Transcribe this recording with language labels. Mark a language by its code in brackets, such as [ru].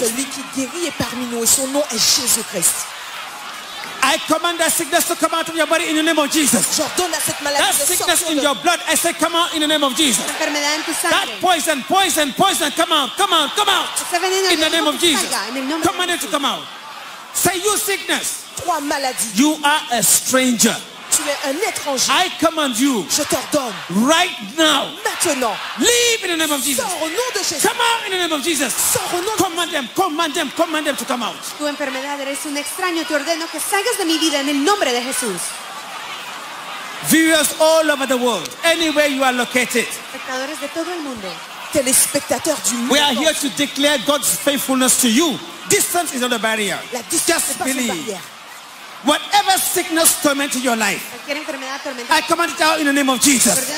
[fr] Celui qui guérit est parmi nous et son nom est Jésus Christ. [en] I command that sickness to come out of your body in the name of Jesus. That sickness in your blood, I say, come out in the name of Jesus. That poison, poison, poison, come out, come out, come out. In the name of Jesus. Command it to come out. Say, you sickness. You are a stranger. I command you right now. Leave in the name of Jesus. Come out in the name of Jesus. Command them, command them, command them to come out. [es] Tu enfermedad eres un extraño. Te ordeno que salgas de mi vida en el nombre de Jesús. [en] Viewers all over the world, anywhere you are located. [es] Espectadores de todo el mundo. [fr] Telespectateurs du monde. [en] We are here to declare God's faithfulness to you. Distance is not a barrier. [fr] La distance [en] just believe. Whatever sickness tormenting your life, I command it out in the name of Jesus.